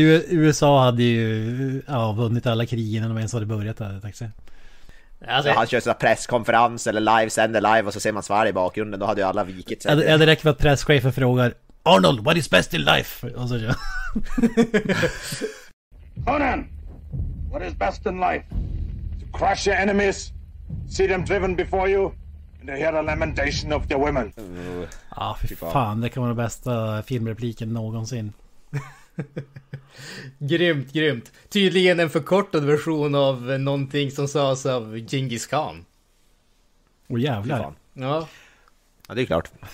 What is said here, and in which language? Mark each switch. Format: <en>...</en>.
<sv>USA hade ju vunnit alla krig innan de ens hade börjat där, tack så. Alltså, han kör sådana presskonferens eller live, sänder live och så ser man svärd i bakgrunden. Då hade ju alla vikit sig. Ja, det räcker med att presschefen frågar: Arnold,</sv> <en>what is best in life?</en> <sv>Och så kör.</sv> <en>Conan, what is best in life? To crush your enemies, see them driven before you, and to hear a lamentation of their women.</en> <sv>Ja, fy fan, det kan vara den bästa filmrepliken någonsin. Grymt, grymt. Tydligen en förkortad version av någonting som sades av Genghis Khan. Åh, jävlar. Fan. Ja. Ja, det är klart.</sv>